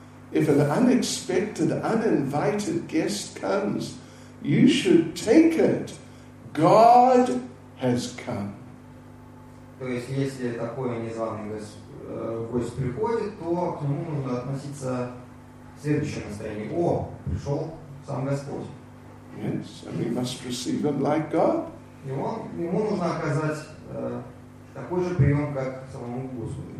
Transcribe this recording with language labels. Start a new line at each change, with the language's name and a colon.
English: If an unexpected, uninvited guest comes, you should take it. God has come.
Russian: То есть, если такой незваный гость приходит, то к нему нужно относиться в следующем настроении. О, пришел сам Господь.
English: Yes, and we must receive him like God.
Russian: Ему нужно оказать такой же прием, как самому Господу.